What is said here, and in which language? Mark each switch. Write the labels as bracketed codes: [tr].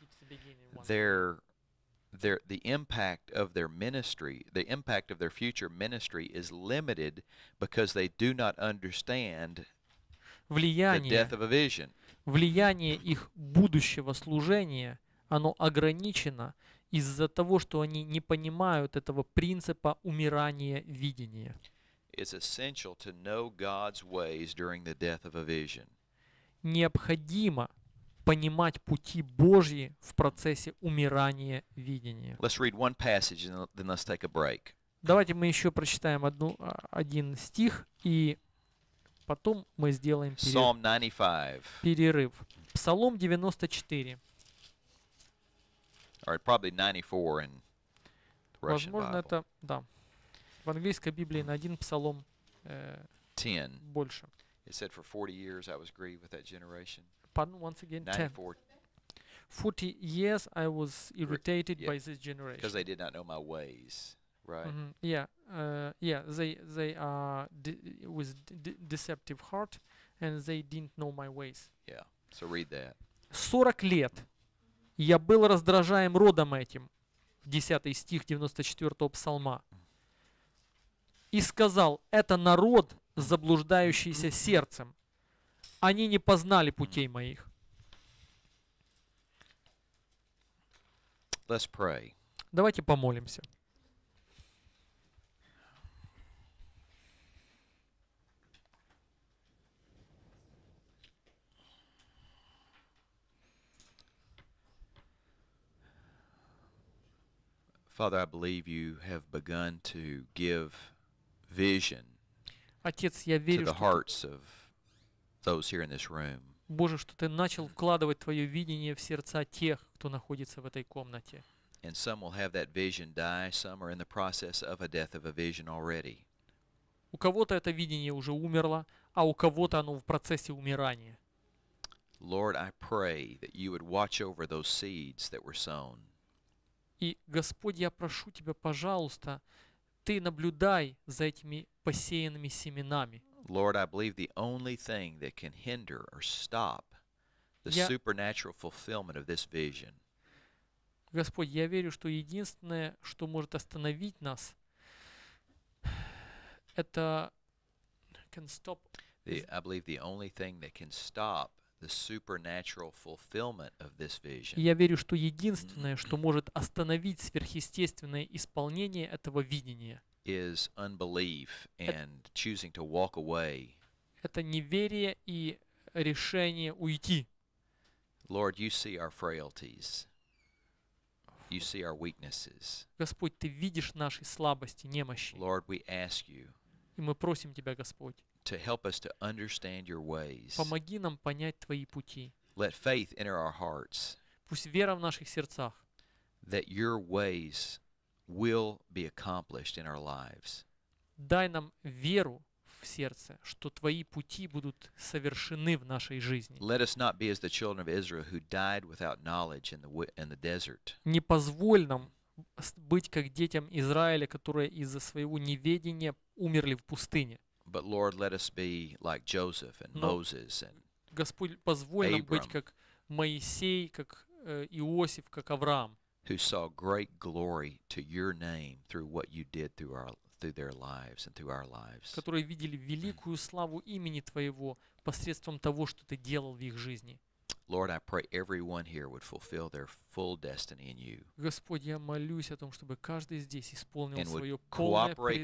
[en] The impact of their ministry, the impact of their future ministry is limited because they do not understand [ru] влияние, [en] the death of a vision. [ru] Влияние их будущего служения, оно ограничено из-за того, что они не понимают этого принципа умирания видения. [en] It's essential to know God's ways during the death of a vision. [ru] Необходимо понимать пути Божьи в процессе умирания видения. [en] Let's read one passage and then let's take a break. [ru] Давайте мы еще прочитаем один стих и потом мы сделаем перерыв. Псалом 94. [en] Or probably 94 in the Russian [ru] Возможно, [en] Bible. [ru] Это, да. В английской Библии на один псалом больше. [en] It said, for 40 years I was grieved with that generation. Pardon, once again, 94. 10. 40 years I was irritated by this generation. Because they did not know my ways, right? Mm-hmm. Yeah, they are deceptive heart, and they didn't know my ways. Yeah, so read that. [ru] 40 лет я был раздражаем родом этим, 10 стих 94-го псалма, и сказал, это народ, заблуждающийся сердцем, они не познали путей моих. [en] Let's pray. [ru] Давайте помолимся. [en] Father, I believe you have begun to give vision to the hearts of those here in this room. [ru] Боже, что ты начал вкладывать твое видение в сердца тех, кто находится в этой комнате. [en] And some will have that vision die, some are in the process of a death of a vision already. [ru] У кого-то это видение уже умерло, а у кого-то оно в процессе умирания. [en] Lord, I pray that you would watch over those seeds that were sown. [ru] И, Господь, я прошу Тебя, пожалуйста, Ты наблюдай за этими посеянными семенами. [en] Lord, I believe the only thing that can hinder or stop the supernatural fulfillment of this vision. [ru] Господь, я верю, что единственное, что может остановить нас, это [en] can stop. I believe the only thing that can stop the supernatural fulfillment of this vision. [ru] Я верю, что единственное, что может остановить сверхъестественное исполнение этого видения, [en] is unbelief and choosing to walk away. [ru] Это неверие и решение уйти. [en] Lord, you see our frailties. You see our weaknesses. [ru] Господь, ты видишь наши слабости, немощи. [en] Lord, we ask you. [ru] И мы просим тебя, Господь. [en] To help us to understand your ways. [ru] Помоги нам понять твои пути. [en] Let faith enter our hearts. [ru] Пусть вера в наших сердцах. [en] That your ways will be accomplished in our lives. [ru] Дай нам веру в сердце, что твои пути будут совершены в нашей жизни. [en] Let us not be as the children of Israel who died without knowledge in the desert. [ru] Не позволь нам быть как детям Израиля, которые из-за своего неведения умерли в пустыне. [en] But Lord, let us be like Joseph and Moses and Abram. [ru] Господь, позволь нам быть как Моисей, как Иосиф, как Авраам. [en] Who saw great glory to Your name through what You did through their lives and through our lives. [ru] Которые видели великую славу имени Твоего посредством того, что Ты делал в их жизни. [en] Lord, I pray everyone here would fulfill their full destiny in You. [ru] Господь, я молюсь о том, чтобы каждый здесь исполнил свое полное предназначение.